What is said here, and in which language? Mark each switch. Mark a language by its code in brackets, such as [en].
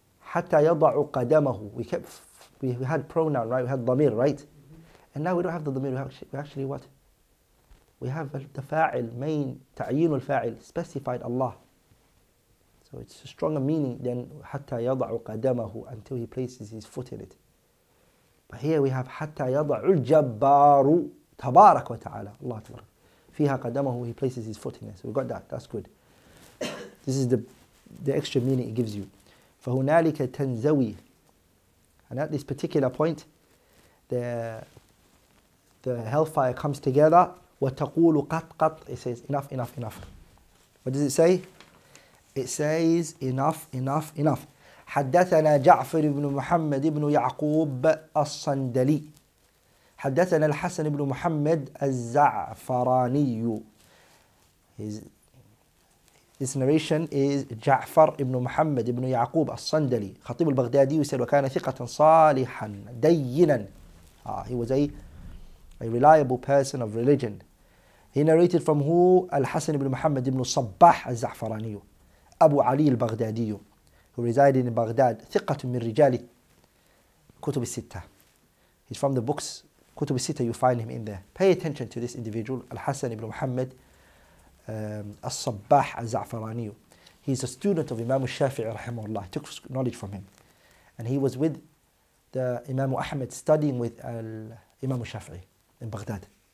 [ar] حتى يضع قدمه. [en] We had pronoun, right? We had ضمير, right? And now we don't have the ضمير. We actually what? We have the فاعل, main, تعيين الفاعل, specified Allah. So it's a stronger meaning than [ar] حتى يضع قدمه, [en] until he places his foot in it. But here we have [ar] حتى يضع الجبار تبارك وتعالى. الله تبارك. فيها قدمه, [en] he places his foot in it. So we got that. That's good. This is the extra meaning it gives you. [ar] فهنالك تنزوي. [en] And at this particular point, the hellfire comes together. [ar] وتقول قط قط. [en] It says enough, enough, enough. What does it say? It says enough, enough, enough. [ar] حدثنا جعفر بن محمد بن يعقوب الصندلي. حدثنا الحسن بن محمد الزعفراني. [en] This narration is [ar] جعفر ابن محمد ابن يعقوب الصندلي خطيب البغدادي يسأل وكان ثقة صالحا دينا. [en] He was a reliable person of religion. He narrated from who? [ar] الحسن بن محمد ابن الصباح الزعفراني أبو علي البغدادي [en] who resided in Baghdad [ar] ثقة من رجال كتب الستة. [en] He's from the books كتب الستة, you find him in there. Pay attention to this individual الحسن بن محمد الصباح الزعفراني. He is a student of Imam Shafi'i رحمه الله. He took knowledge from him. And he was with the Imam Ahmed studying with Imam Shafi'i in Baghdad.